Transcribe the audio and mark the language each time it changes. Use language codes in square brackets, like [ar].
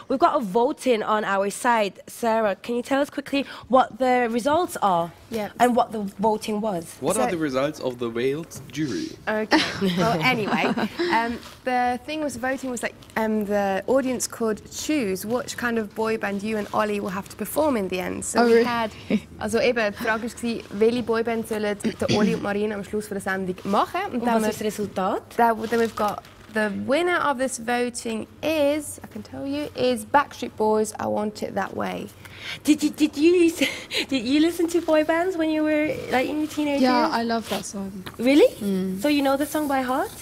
[en] We've got a voting on our side. Sarah, can you tell us quickly what the results are? Yeah. And what the voting was. What are the results of the Wales jury? Okay. Well, anyway, the thing was voting was like the audience could choose which kind of boy band you and Ollie will have to perform in the end. [de] So also eben, die Frage war, welche boy band sollen der Oli und Marina am Schluss von der Sendung machen? Und was ist das Resultat? [en] Then we've got the winner of this voting is, I can tell you, is Backstreet Boys, I Want It That Way. Did you listen to boy bands when you were like in your teenage years? Yeah, I love that song. Really? Mm. So you know the song by heart?